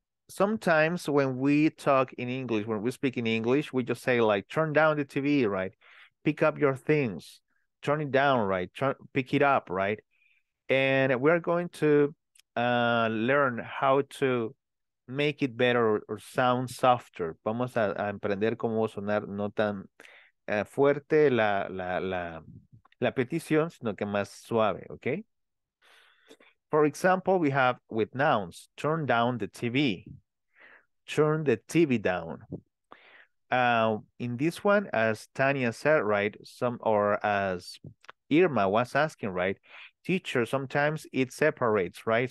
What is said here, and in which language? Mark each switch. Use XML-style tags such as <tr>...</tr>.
<en>Sometimes when we talk in English, when we speak in English, we just say like, turn down the TV, right? Pick up your things, turn it down, right? Pick it up, right? And we're going to learn how to make it better or sound softer.</en> <es>Vamos a emprender cómo sonar no tan fuerte la petición, sino que más suave, okay?</es> <en>For example, we have with nouns, turn down the TV. Turn the TV down. In this one, as Tania said, right, or as Irma was asking, right, teacher, sometimes it separates, right?</en>